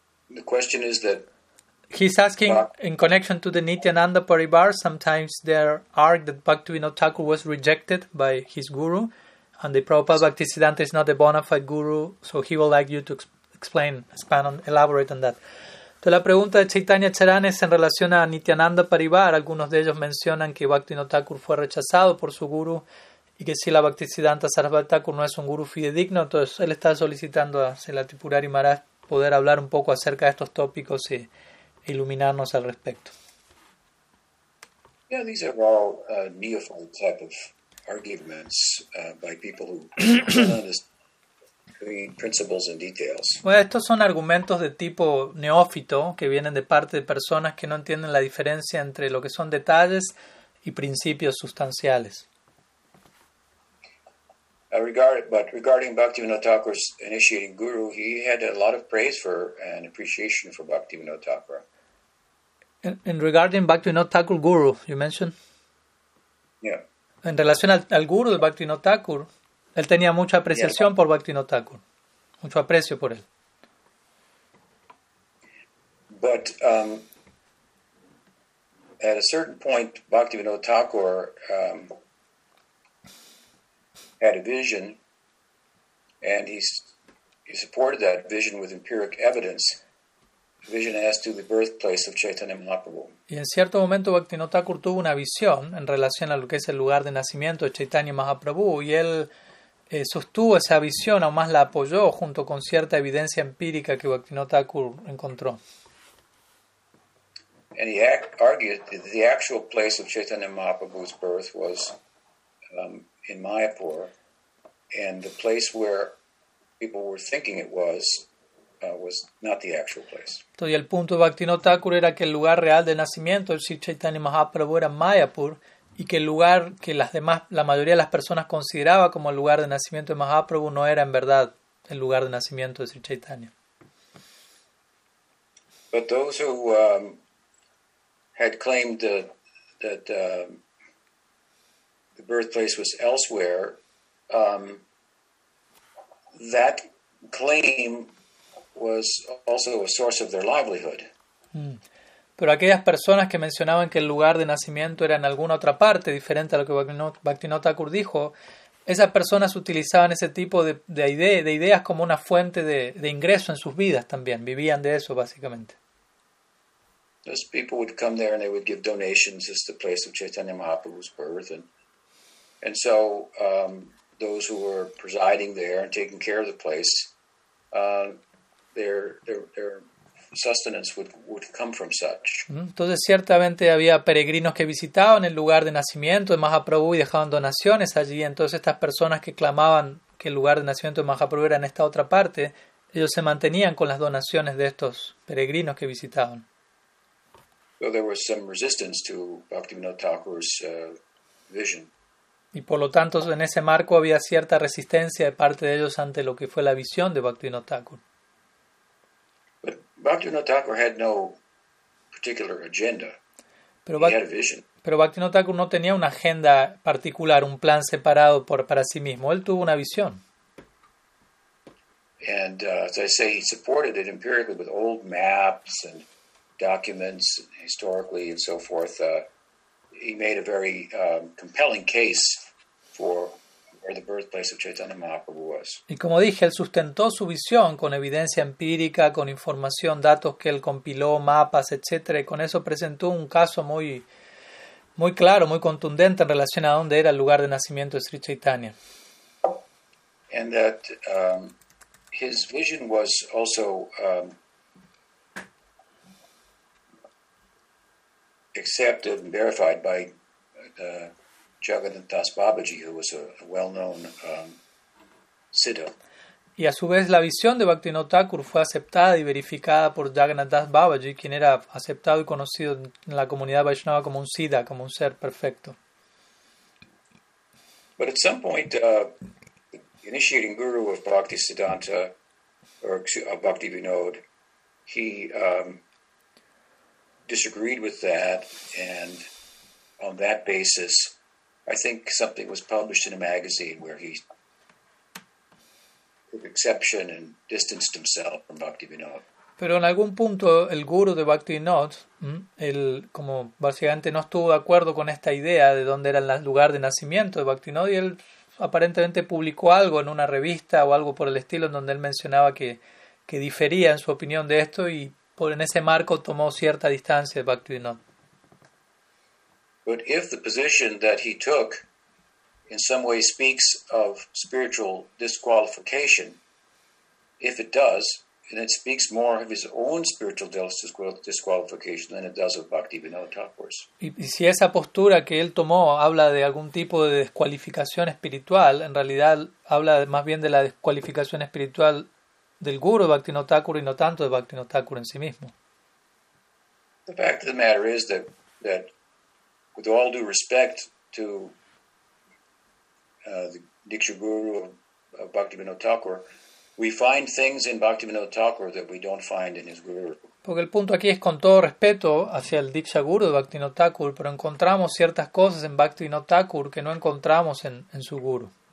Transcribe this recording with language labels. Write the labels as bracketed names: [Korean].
[English] The question is that. He's asking, in connection to the Nityananda Parivar, sometimes there are that Bhaktivinoda Thakur was rejected by his guru, and the Prabhupada Bhaktisiddhanta is not a bona fide guru, so he would like you to elaborate on that. [Spanish] Entonces, la pregunta de Chaitanya Charan es en relación a Nityananda Parivar. Algunos de ellos mencionan que Bhaktivinoda Thakur fue rechazado por su guru, y que si la Bhaktisiddhanta Sarasvati Thakur no es un guru fidedigno, entonces él está solicitando a Selati Purari Maharaj poder hablar un poco acerca de estos tópicos y iluminarnos al respecto. [English] Yeah, these are all neophyte type of arguments by people who between principles and details. [Spanish] Bueno, estos son argumentos de tipo neófito que vienen de parte de personas que no entienden la diferencia entre lo que son detalles y principios sustanciales. [English] Regarding Bhaktivinoda Thakur's initiating guru, he had a lot of praise for and appreciation for Bhaktivinoda Thakur. In regarding Bhaktivinoda Thakur guru, you mentioned? Yeah. [Spanish] En relación al guru de Bhaktivinoda Thakur, él tenía mucha apreciación por Bhaktivinoda Thakur. Mucho aprecio por él. [English] But at a certain point, Bhaktivinoda Thakur had a vision, and he supported that vision with empiric evidence. Vision as to the birthplace of Chaitanya Mahaprabhu. [Spanish] Y en cierto momento Bhaktivinoda Thakur tuvo una visión en relación a lo que es el lugar de nacimiento de Chaitanya Mahaprabhu, y él sostuvo esa visión, aún más la apoyó junto con cierta evidencia empírica que Bhaktivinoda Thakur encontró. [English] And he argued that the actual place of Chaitanya Mahaprabhu's birth was in Mayapur, and the place where people were thinking it was was not the actual place. [Spanish] Entonces, el punto de Bhaktivinoda Thakur era que el lugar real de nacimiento, el Sri Chaitanya Mahaprabhu, era Mayapur, y que el lugar que la mayoría de las personas consideraba como el lugar de nacimiento de Mahaprabhu no era en verdad el lugar de nacimiento de Sri Chaitanya. [English] But those who had claimed that the birthplace was elsewhere, that claim was also a source of their livelihood. [Spanish] Pero aquellas personas que mencionaban que el lugar de nacimiento era en alguna otra parte diferente a lo que Bhaktivinoda Thakur dijo, esas personas utilizaban ese tipo de ideas como una fuente de ingreso en sus vidas también. Vivían de eso básicamente. [English] Those people would come there and they would give donations as the place of Chaitanya Mahaprabhu's birth, and so those who were presiding there and taking care of the place, Their sustenance would come from such. [Spanish] Entonces ciertamente había peregrinos que visitaban el lugar de nacimiento de Mahaprabhu y dejaban donaciones allí. Entonces estas personas que clamaban que el lugar de nacimiento de Mahaprabhu era en esta otra parte, ellos se mantenían con las donaciones de estos peregrinos que visitaban. [English] So there was some resistance to Bhaktivinoda Thakur's vision. [Spanish] Y por lo tanto en ese marco había cierta resistencia de parte de ellos ante lo que fue la visión de Bhaktivinoda Thakur. [English] Bhaktivinoda Thakur had no particular agenda. [Spanish] Pero [English] he had a vision. [Spanish] Pero Bhaktivinoda Thakur no tenía una agenda particular, un plan separado para sí mismo. Él tuvo una visión. [English] And as I say, he supported it empirically with old maps and documents, historically and so forth. He made a very compelling case for where the birthplace of Chaitanya Mahaprabhu was. [Spanish] Y como dije, él sustentó su visión con evidencia empírica, con información, datos que él compiló, mapas, etcétera. Y con eso presentó un caso muy, muy claro, muy contundente en relación a dónde era el lugar de nacimiento de Sri Chaitanya. [English] And that his vision was also accepted and verified by Jagannath Das Babaji, who was a well-known siddha. [Spanish] Y a su vez la visión de Bhaktivinoda Thakur fue aceptada y verificada por Jagannath Das Babaji, quien era aceptado y conocido en la comunidad Vaishnava como un siddha, como un ser perfecto. [English] But at some point, the initiating guru of Bhaktisiddhanta, or of Bhaktivinoda, he disagreed with that, and on that basis, I think something was published in a magazine where he took exception and distanced himself from Bhaktivinoda. [Spanish] Pero en algún punto el guru de Bhaktivinoda, él como básicamente no estuvo de acuerdo con esta idea de dónde era el lugar de nacimiento de Bhaktivinoda, y él aparentemente publicó algo en una revista o algo por el estilo en donde él mencionaba que difería en su opinión de esto, y por en ese marco tomó cierta distancia de Bhaktivinoda. [English] But if the position that he took in some way speaks of spiritual disqualification, if it does, and it speaks more of his own spiritual disqualification than it does of Bhaktivinoda Thakur's. [Spanish] Y si esa postura que él tomó habla de algún tipo de descualificación espiritual, en realidad habla más bien de la descualificación espiritual del guru Bhaktivinoda Thakur y no tanto de Bhaktivinoda Thakur en sí mismo. [English] The fact of the matter is that with all due respect to the Diksha Guru of Bhaktivinoda Thakur, we find things in Bhaktivinoda Thakur that we don't find in his guru. [Spanish] Porque el punto aquí es con todo respeto hacia el Diksha Guru de Bhaktivinoda Thakur, pero encontramos ciertas cosas en Bhaktivinoda Thakur que no encontramos en su guru.